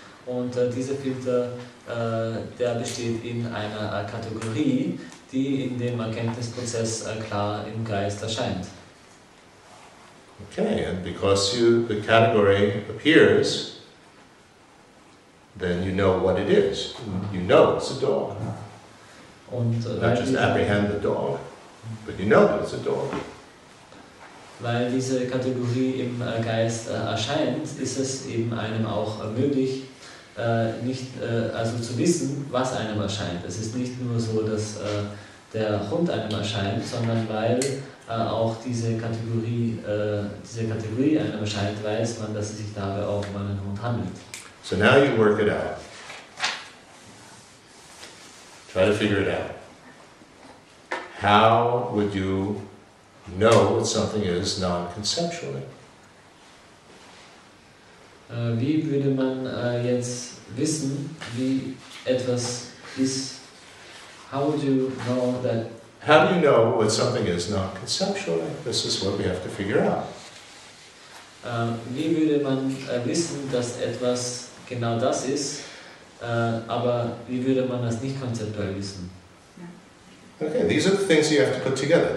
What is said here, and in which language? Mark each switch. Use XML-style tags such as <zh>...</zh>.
<de>Und dieser Filter, der besteht in einer Kategorie, die in dem Erkenntnisprozess klar im Geist erscheint.</de> <en>Okay, and because the category appears, then you know what it is. You know it's a dog.</en> <de>Und</de> <en>not just apprehend the dog, but you know that it's a dog.</en> <de>Weil diese Kategorie im Geist erscheint, ist es eben einem auch möglich, nicht also zu wissen, was einem erscheint. Es ist nicht nur so, dass der Hund einem erscheint, sondern weil auch diese Kategorie einem erscheint, weiß man, dass es sich dabei auch um einen Hund handelt.</de> <en>So now you work it out. Try to figure it out. How would you know what something is non-conceptually?</en> <de>Wie würde man jetzt wissen, wie etwas ist?</de> <en>How would you know that? How do you know what something is non-conceptually? This is what we have to figure out.</en> <de>Wie würde man wissen, dass etwas genau das ist, aber wie würde man das nicht konzeptuell wissen?</de> <en>Okay, these are the things you have to put together.</en>